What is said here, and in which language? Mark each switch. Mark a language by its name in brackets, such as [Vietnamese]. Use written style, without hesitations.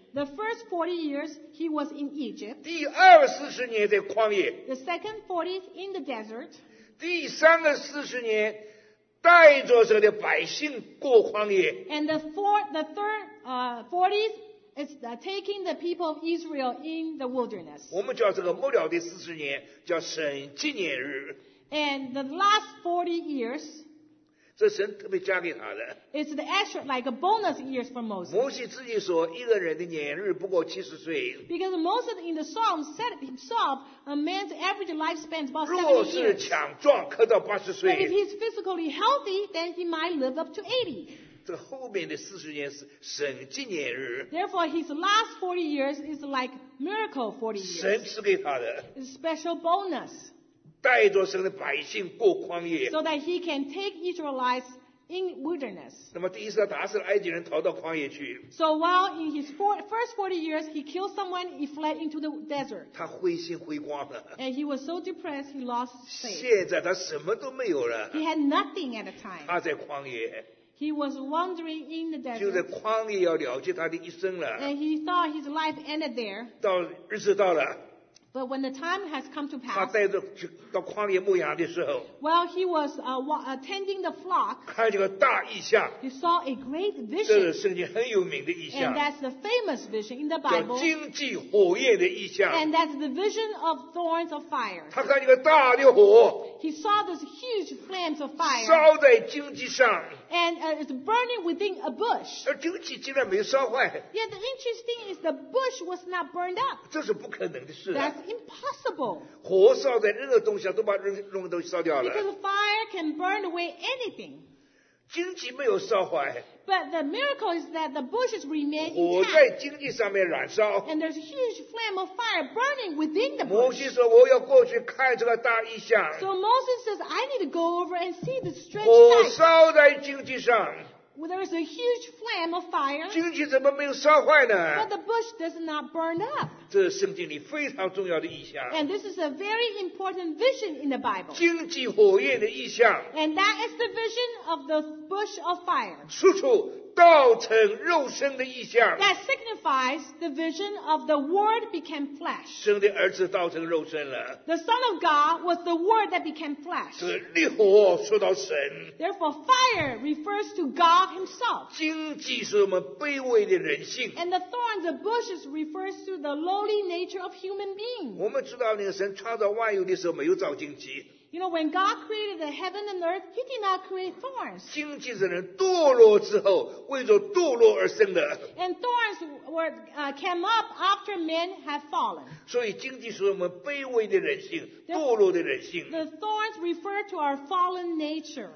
[English] The first 40 years he was in Egypt. [Chinese] 第二四十年在旷野。 [English] The second 40s in the desert. [Chinese] 第三个四十年带着这个百姓过旷野。 [English] And the third 40s. It's taking the people of Israel in the wilderness. [Chinese] 我们叫这个末了的四十年叫审纪念日。 [English] And the last 40 years, [Chinese] 这神特别加给他的。 [English] It's the extra, like a bonus years for Moses. [Chinese] 摩西自己说，一个人的年日不过七十岁。 [English] Because Moses in the Psalms said himself, a man's average lifespan is about 70 years. [Chinese] 若是强壮，可到八十岁。 [English] But if he's physically healthy, then he might live up to 80. [Chinese] 这后面的四十年是神迹年日。 [English] Therefore, his last 40 years is like miracle 40 years. [Chinese] 神赐给他的。 [English] It's a special bonus. [Chinese] 带着神的百姓过旷野 [English] so that he can take Israelites in wilderness. [Chinese] 那么第一次他打死了埃及人逃到旷野去 [English] so while in his first 40 years he killed someone he fled into the desert. [Chinese] 他灰心灰光了 [English] and he was so depressed he lost faith. [Chinese] 现在他什么都没有了 [English] he had nothing at the time. [Chinese] 他在旷野 [English] he was wandering in the desert. [Chinese] 就在旷野要了结他的一生了 [English] and he thought his life ended there. [Chinese] 到日子到了 [English] But when the time has come to pass, [Chinese] 他带着去到旷野牧羊的时候 [English] while he was tending the flock, [Chinese] 看见个大异象 [English] he saw a great vision. [Chinese] 这是圣经很有名的异象 [English] and that's the famous vision in the Bible. [Chinese] 叫荆棘火焰的异象 [English] and that's the vision of thorns of fire. [Chinese] 他看见个大的火 [English] he saw those huge flames of fire. [Chinese] 烧在荆棘上 [English] and it's burning within a bush. [Chinese] 而荆棘竟然没有烧坏 [English] yeah, the interesting thing is the bush was not burned up. [Chinese] 这是不可能的事、啊 [English] impossible. [Chinese] 火烧在任何东西都把任何东西烧掉了。 [English] Because fire can burn away anything. [Chinese] 荆棘没有烧坏。 [English] But the miracle is that the bushes remain intact. [Chinese] 火在荆棘上面燃烧。 [English] And there's a huge flame of fire burning within the bush. [Chinese] 摩西说我要过去看这个大异象。 [English] So Moses says I need to go over and see the strange sight. [Chinese] 火烧在荆棘上。 [English] Well, there is a huge flame of fire. [Chinese] 荆棘怎么没有烧坏呢 [English] But the bush does not burn up. [Chinese] 这是圣经里非常重要的意象。 [English] And this is a very important vision in the Bible. [Chinese] 荆棘火焰的意象。 [English] And that is the vision of the bush of fire. [Chinese] 处处道成肉身的意象。 [English] That signifies the vision of the Word became flesh. [Chinese] 神的儿子道成肉身了。 [English] The Son of God was the Word that became flesh. [Chinese] 是烈火说到神。 [English] Therefore, fire refers to God Himself. [Chinese] 荆棘是我们卑微的人性。 [English] And the thorns, the bushes, refers to the lowly nature of human beings. [Chinese] 我们知道那个神创造万有的时候没有造荆棘。 [English] You know, when God created the heaven and earth, He did not create thorns. [Chinese] 荆棘是人堕落之后为着堕落而生的。 [English] And thorns were, came up after men had fallen. [Chinese] 所以荆棘是我们卑微的人性堕落的人性。 [English] The thorns refer to our fallen nature.